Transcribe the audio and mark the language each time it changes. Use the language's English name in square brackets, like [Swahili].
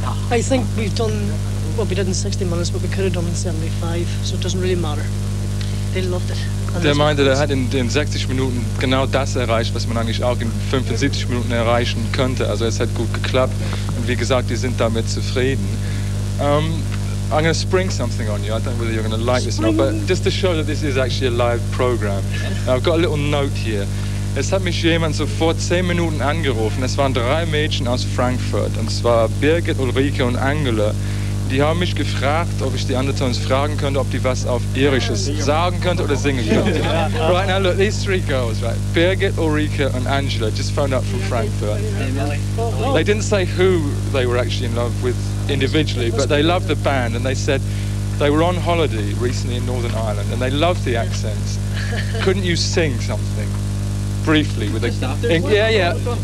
[English] I think we've done what we did in 60 minutes, but we could have done in 75, so it doesn't really matter. They loved it. [German] Der meinte, er hat in den 60 Minuten genau das erreicht, was man eigentlich auch in 75 Minuten erreichen könnte. Also es hat gut geklappt und wie gesagt, die sind damit zufrieden. [English] I'm going to spring something on you. I don't know whether you're going to like this or not, but just to show that this is actually a live program. Now, I've got a little note here. [German] Es hat mich jemand sofort 10 Minuten angerufen. Es waren drei Mädchen aus Frankfurt und zwar Birgit, Ulrike und Angela. Die haben mich gefragt, ob ich die Undertones fragen könnte, ob die was auf Irisches sagen könnte oder singen könnte. [English] Right now, look, these three girls, right? Birgit, Ulrike und Angela, just found out from Frankfurt. They didn't say who they were actually in love with individually, but they loved the band and they said they were on holiday recently in Northern Ireland and they loved the accents. Couldn't you sing something briefly with a...